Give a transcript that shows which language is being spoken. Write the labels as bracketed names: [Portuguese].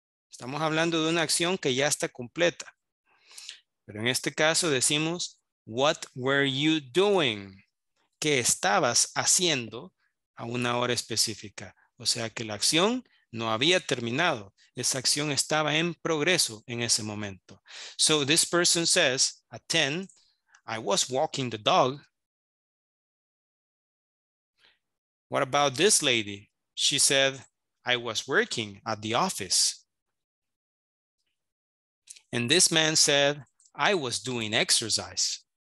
[Spanish] Estamos hablando de una acción que ya está completa. Pero en este caso decimos, [English] what were you doing? [Spanish] ¿Qué estabas haciendo a una hora específica? O sea que la acción no había terminado. Esa acción estaba en progreso en ese momento. [English] So this person says, at 10, I was walking the dog. What about this lady? She said, I was working at the office. And this man said, I was doing exercise.